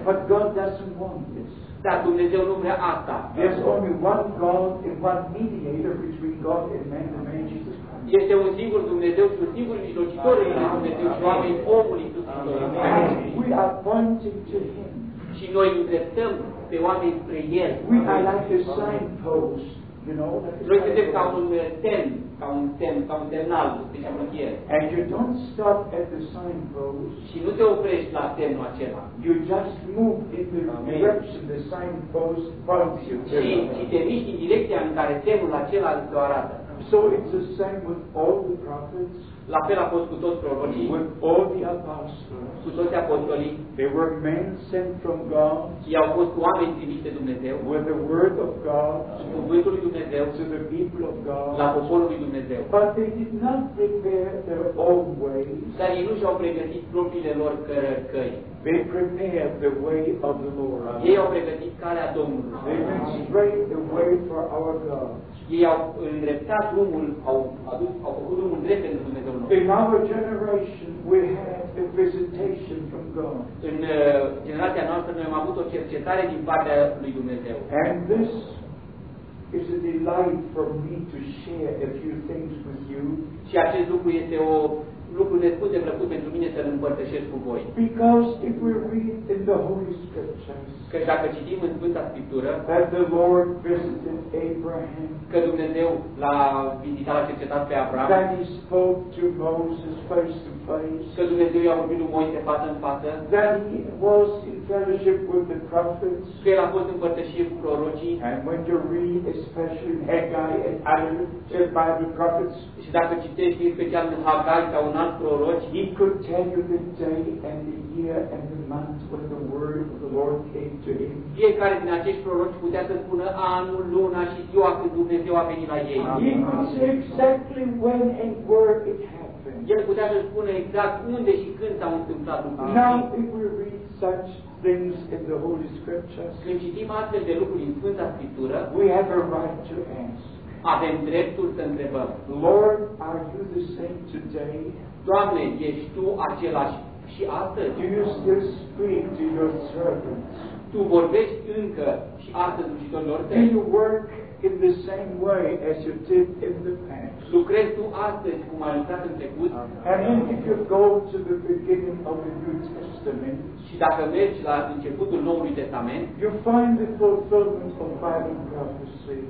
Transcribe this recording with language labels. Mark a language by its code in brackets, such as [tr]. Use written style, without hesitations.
[en] But God doesn't want this. [ro] Dar Dumnezeu nu vrea asta. [en] There's only one God and one mediator between God and man, the man Jesus Christ. [ro] Este un singur Dumnezeu și un singur mijlocitor între Dumnezeu și oameni, omul Iisus Hristos. [en] We are pointing to him. [ro] Și noi îndreptăm pe oameni spre el. [en] We are like a signpost. You know, [ro] noi suntem ca un semn, ca un semn, ca un semnal, spuneam în ghiere. [en] And you don't stop at the signpost. [ro] Și nu te oprești la semnul acela. [en] You just move in the direction the signpost points you. [ro] Și te miști în direcția în care semnul acela îți arată. [en] So it's the same with all the prophets. [ro] La fel a fost cu toți prorocii. [en] With all the apostles. [ro] Cu toți apostolii. [en] They were men sent from God. [ro] Și au fost oameni trimiși de Dumnezeu. [en] With the word of God. [ro] Și cu cuvântul lui Dumnezeu. [en] To the people of God. [ro] La poporul lui Dumnezeu. [en] But they did not prepare their own ways. [ro] Dar ei nu și-au pregătit propriile lor căi. [en] They prepared the way of the Lord. [ro] Ei au pregătit calea Domnului. [en] They went straight the way for our God. [ro] Ei au îndreptat drumul, au făcut drumul drept pentru Dumnezeu nostru. [en] In our generation we had a visitation from God. [ro] În generația noastră noi am avut o cercetare din partea lui Dumnezeu. [en] And this is a delight for me to share a few things with you. [ro] Și acest lucru este o lucru nespus de plăcut pentru mine să-l împărtășesc cu voi. [en] Because if we read in the Holy Scriptures, [ro] că dacă citim în Sfânta Scriptură, [en] that the Lord visited Abraham, [ro] că Dumnezeu l-a vizitat, l-a cercetat pe Abraham, [en] that he spoke to Moses face to face, [ro] că Dumnezeu i-a vorbit lui Moise față în față, [en] that he was in fellowship with the prophets, [ro] că el a fost împărtășit cu prorocii, [en] and when you read especially Haggai and Agabus, said by the prophets, [ro] și dacă citești în special în Haggai sau un alt proroc, [en] he could tell you the day and the year and the month when the word of the Lord came. [ro] Fiecare din acești proroci putea să spună anul, luna și ziua când Dumnezeu a venit la ei. [en] Exactly when and where it happened. [ro] El putea să spună exact unde și când s-a întâmplat lucrurile. [en] Now if we read such things in the Holy Scriptures, [ro] când citim astfel de lucruri în Sfânta Scriptură, [en] we have a right to ask. [ro] Avem dreptul să întrebăm. [en] Lord, are you the same today? [ro] Doamne, ești tu același și astăzi? [en] Do you still speak to your servants? [ro] Tu vorbești încă și astăzi ucitorilor tăi? [en] Do you work in the same way as you did in the past? [ro] Lucrezi tu astăzi cum ai lucrat în trecut? [en] And then if you go to the beginning of the New Testament, [ro] și dacă mergi la începutul Noului Testament, [en] you find the fulfillment of Bible prophecy.